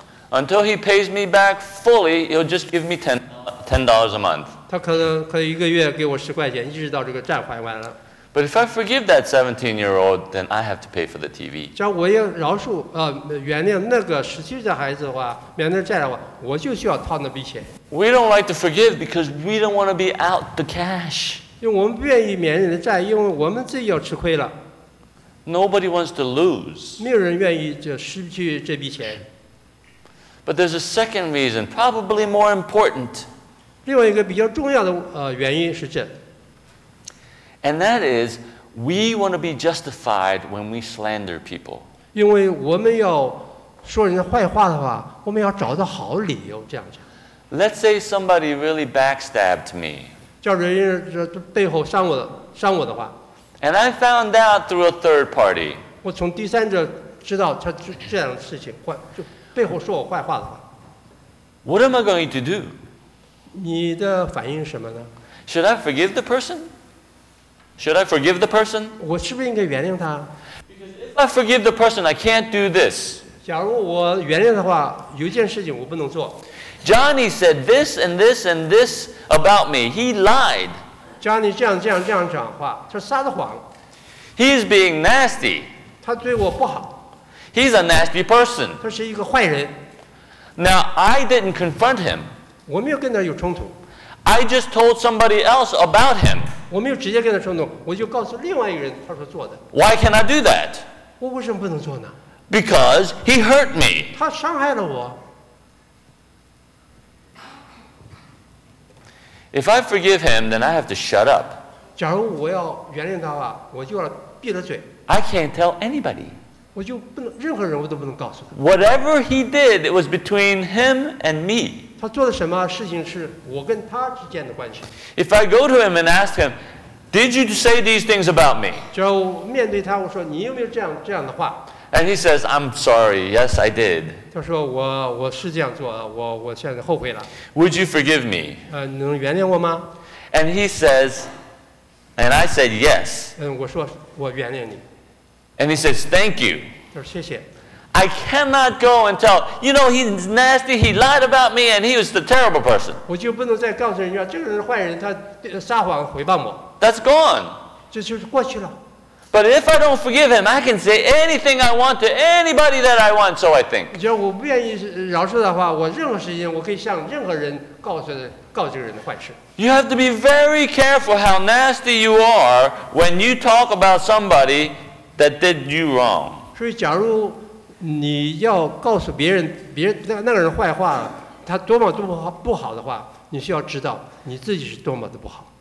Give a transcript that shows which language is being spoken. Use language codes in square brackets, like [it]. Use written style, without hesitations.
[en] Until he pays me back fully, he'll just give me $10 a month. [zh] 他可能一个月给我十块钱，一直到这个债还完了。 [en] But if I forgive that 17-year-old, then I have to pay for the TV. [zh] 假如我要饶恕原谅那个十七岁的孩子的话，免得债的话，我就需要掏那笔钱。 [en] We don't like to forgive because we don't want to be out the cash. [zh] 因为我们不愿意免人的债，因为我们自己要吃亏了。 [en] Nobody wants to lose. [zh] 没有人愿意就失去这笔钱。 [en] But there's a second reason, probably more important. [zh] 另外一个比较重要的原因是这。 [en] And that is, we want to be justified when we slander people. [zh] 因为我们要说人家坏话的话，我们要找到好理由这样讲。 [en] Let's say somebody really backstabbed me. [zh] 叫人家背后伤我的话。 [en] And I found out through a third party. [zh] 我从第三者知道他这样的事情坏就。背后说我坏话的话 [en] What am I going to do? [zh] 你的反应是什么呢 [en] Should I forgive the person? Should I forgive the person? [zh] 我是不是应该原谅他 [en] Because if I forgive the person, I can't do this. [zh] 假如我原谅的话，有一件事情我不能做 [en] Johnny said this and this and this about me. He lied. [zh] Johnny 这样讲话，他撒的谎 [en] He is being nasty. [zh] 他对我不好 [en] He's a nasty person. [zh] 他是一个坏人。 [en] Now, I didn't confront him. [zh] 我没有跟他有冲突。 [en] I just told somebody else about him. [zh] 我没有直接跟他冲突，我就告诉另外一个人，他说做的。 [en] Why can I do that? [zh] 我为什么不能做呢？ [en] Because he hurt me. [zh] 他伤害了我。 [en] If I forgive him, then I have to shut up. [zh] 假如我要原谅他的话，我就要闭了嘴。 [en] I can't tell anybody. [zh] 我就不能，任何人我都不能告诉他。 [en] Whatever he did, it was between him and me. [zh] 他做的什么事情是我跟他之间的关系。 [en] If I go to him and ask him, did you say these things about me? [zh] 就面对他，我说你有没有这样的话 [en] ？And he says, I'm sorry. Yes, I did. [zh] 他说我是这样做，我现在后悔了。 [en] Would you forgive me? [zh] 你能原谅我吗 [en] ？And he says, and I said yes. [zh] 我说我原谅你。 [en] And he says, thank you. [zh] 他说谢谢。 [en] I cannot go and tell, you know, he's nasty, he lied about me, and he was the terrible person. [zh] 我就不能再告诉人家，这个人是坏人，他撒谎回报我。 [en] That's gone. [zh] 这就是过去了。 [en] But if I don't forgive him, I can say anything I want to anybody that I want, so I think. [zh] 只要我不愿意饶恕的话，我任何时间我可以向任何人告这个人的坏事。 [en] You have to be very careful how nasty you are when you talk about somebody that did you wrong. [zh] 所以假如你要告诉别人那个人坏话，他多么多么不好的话，你需要知道你自己是多么的不好。